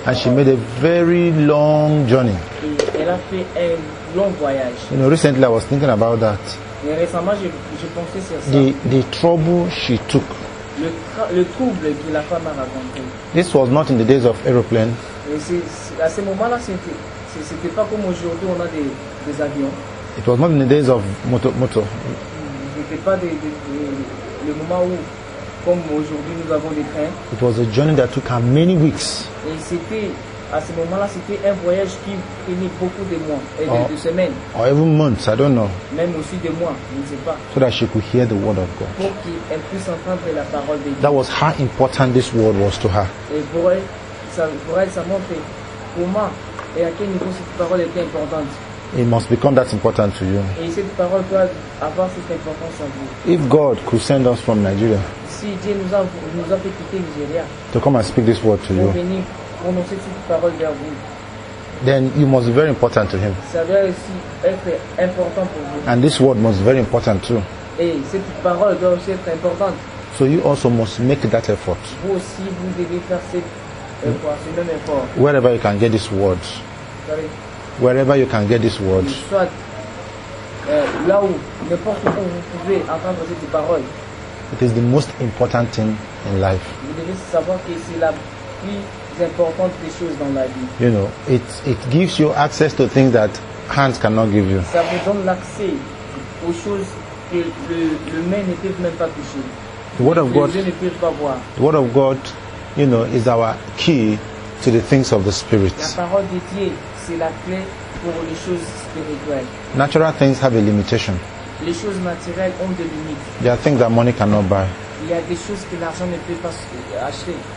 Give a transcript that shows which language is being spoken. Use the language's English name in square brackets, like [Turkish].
[English] and parole. She made a very long journey. [French] Et elle a fait un long voyage. [English] You know, recently I was thinking about that. [French] Et récemment, je pensais sur ça. [English] The trouble she took. [French] Le trouble que la femme a raconté. [English] This was not in the days of aeroplane. [French] À ce moment-là, c'était pas comme aujourd'hui, on a des avions. [English] It was not in the days of moto. [French] C'était pas le moment où, comme aujourd'hui, nous avons des trains. [English] It was a journey that took her many weeks. [French] Et c'était, à ce moment-là, c'était un voyage qui prenait beaucoup de mois et de semaines. [English] Or even months, I don't know. [French] Même aussi des mois, je ne sais pas. [English] So that she could hear the word of God. [French] Pour qu'elle puisse entendre la parole de Dieu. [English] That was how important this word was to her. [French] Et pour elle, ça montre comment et à quel niveau cette parole était importante. [English] It must become that important to you. [French] Et cette parole doit avoir cette importance en vous. [English] If God could send us from Nigeria, [French] si Dieu nous a fait quitter Nigeria, [English] to come and speak this word to you, [French] venir prononcer cette parole vers vous, [English] then you must be very important to him. [French] Sa vie aussi est important pour vous. [English] And this word must be very important too. [French] Et cette parole doit aussi être importante. [English] So you also must make that effort. [French] Vous aussi vous devez faire cet effort, ce même effort. [English] Wherever you can get this word. Sorry. Wherever you can get this word. [French] Soit là où n'importe où vous pouvez entendre cette parole. [English] It is the most important thing in life. [French] Vous devez savoir que c'est la plus importante des choses dans la vie. [English] You know, it gives you access to things that hands cannot give you. [French] Ça vous donne l'accès aux choses que le main ne peut même pas toucher. [English] The word of God. [French] Les yeux ne peuvent pas voir. [English] The word of God, you know, is our key to the things of the spirit. [French] La parole de Dieu, c'est la clé pour les choses spirituelles. [English] Natural things have a limitation. [French] Les choses matérielles ont des limites. [English] There are things that money cannot buy. [French] Il y a des choses que l'argent ne peut pas acheter.